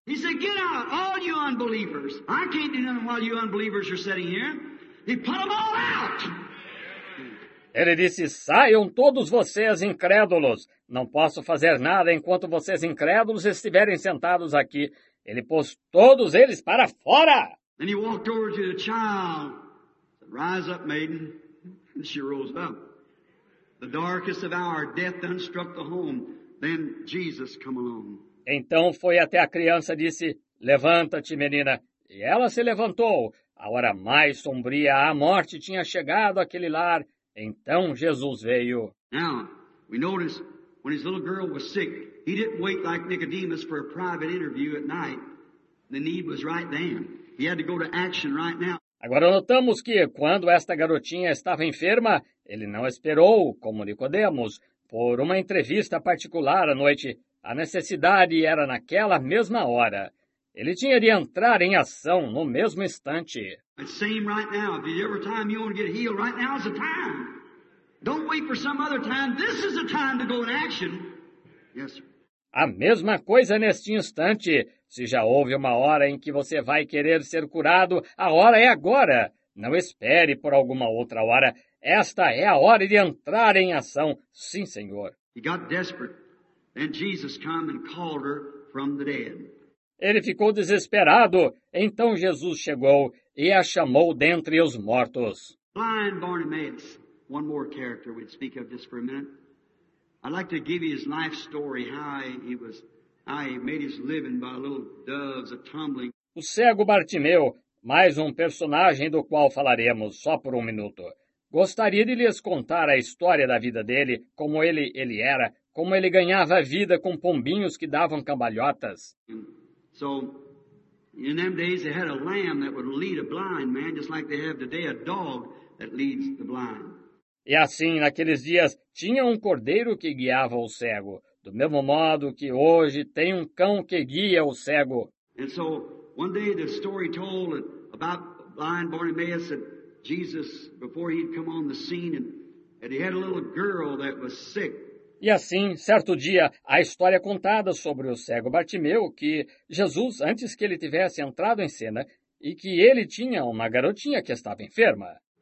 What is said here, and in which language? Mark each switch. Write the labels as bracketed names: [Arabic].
[English] He said, get out, all you unbelievers. I can't do nothing while you unbelievers are sitting here. He put them all out. [Portuguese] Ele disse, saiam todos vocês incrédulos. Não posso fazer nada enquanto vocês incrédulos estiverem sentados aqui. Ele pôs todos eles para fora. [English] And he walked over to the child. Rise up, maiden. And she rose up. The darkest of hour, death unstruck the home. Then Jesus come along. [Portuguese] Então foi até a criança e disse, levanta-te, menina. E ela se levantou. A hora mais sombria, a morte tinha chegado àquele lar. Então Jesus veio. [English] Now, we notice when his little girl was sick, he didn't wait like Nicodemus for a private interview at night. The need was right then. He had to go to action right now. [Portuguese] Agora notamos que quando esta garotinha estava enferma, ele não esperou, como Nicodemus, por uma entrevista particular à noite. A necessidade era naquela mesma hora. Ele tinha de entrar em ação no mesmo instante. [English] It's same right now. If you ever time you want to get healed, right now is the time. Don't wait for some other time. This is the time to go in action. Yes, sir. [Portuguese] A mesma coisa neste instante. Se já houve uma hora em que você vai querer ser curado, a hora é agora. Não espere por alguma outra hora. Esta é a hora de entrar em ação. Sim, senhor. [English] He got desperate. And Jesus came and called her from the dead. [Portuguese] Ele ficou desesperado. Então Jesus chegou e a chamou dentre os mortos. [English] Blind Bartimaeus, one more character we'd speak of just for a minute. I'd like to give you his life story, how he made his living by little doves a tumbling. [Portuguese] O cego Bartimeu, mais um personagem do qual falaremos só por um minuto. Gostaria de lhes contar a história da vida dele, como ele era. Como ele ganhava a vida com pombinhos que davam cambalhotas. [English] So, in them days they had a lamb that would lead a blind man, just like they have today a dog that leads the blind. [Portuguese] E assim, naqueles dias, tinha um cordeiro que guiava o cego, do mesmo modo que hoje tem um cão que guia o cego. [English] And so, one day the story told about blind Bartimaeus that Jesus, before he'd come on the scene, and he had a little girl that was sick. [Portuguese] E assim, certo dia, a história contada sobre o cego Bartimeu, que Jesus, antes que ele tivesse entrado em cena, e que ele tinha uma garotinha que estava enferma.